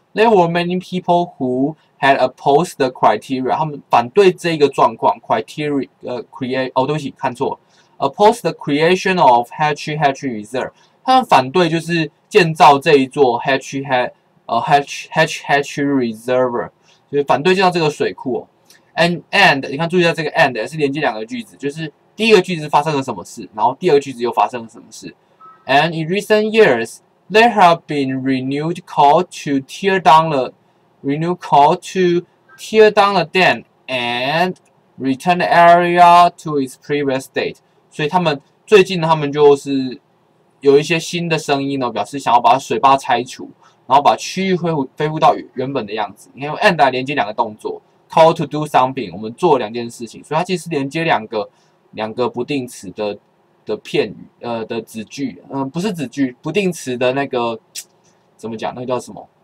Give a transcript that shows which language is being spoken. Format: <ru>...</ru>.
<en>There were many people who had opposed the criteria，</en> <zh>他们反对这个状况</zh> <en>opposed the creation of HHH reserve，</en> <zh>他们反对就是建造这一座</zh> <en>HHH reserve，</en> <zh>就是反对建造这个水库、哦。 And 你看注意一下这个 and 是连接两个句子，就是第一个句子发生了什么事，然后第二个句子又发生了什么事。</zh> <en>And in recent years there have been renewed call to tear down theRenew call to tear down the dam and return the area to its previous state.</en> <zh>所以他们最近他们就是有一些新的声音呢，表示想要把水坝拆除，然后把区域恢复到原本的样子。你看用 and 来连接两个动作 ，</zh> <en>call to do something，</en> <zh>我们做两件事情，所以它其实是连接两个不定词的片语，的子句，不是子句，不定词的那个怎么讲？那个叫什么？</zh>